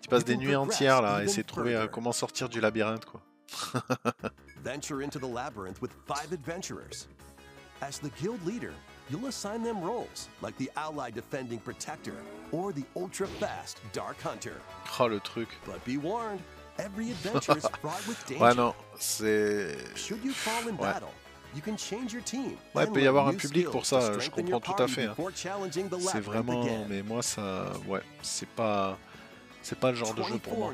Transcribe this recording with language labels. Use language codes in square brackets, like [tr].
[fr] tu passes des nuits entières là à essayer de trouver comment sortir du labyrinthe, quoi. [en] Venture into the labyrinth with five adventurers. As the guild leader, you'll assign them roles like the ally defending protector or the ultra fast dark hunter. [fr] Oh, le truc. [en] But be warned, every adventure is fraught with danger. [fr] Ouais, non, c'est. [en] Should you fall in battle, ouais. You can change your team. [fr] Ouais, il peut y avoir un public pour ça, je comprends tout à fait. Hein. C'est vraiment. Mais moi, ça. Ouais, c'est pas le genre de jeu pour moi.